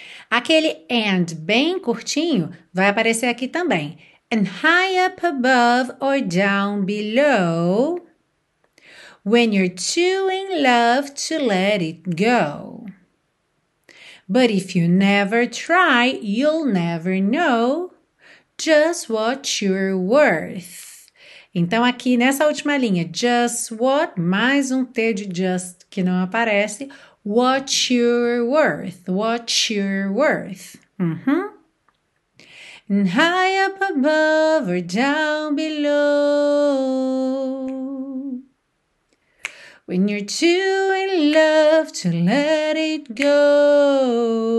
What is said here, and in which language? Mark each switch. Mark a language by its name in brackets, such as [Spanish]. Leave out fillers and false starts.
[Portuguese] Aquele and bem curtinho vai aparecer aqui também. [English] And high up above or down below. When you're too in love to let it go. But if you never try, you'll never know just what you're worth. [Portuguese] Então, aqui nessa última linha, [English] just what, [Portuguese] mais um T de just que não aparece, [English] what you're worth, what you're worth. And high up above or down below, when you're too in love to let it go.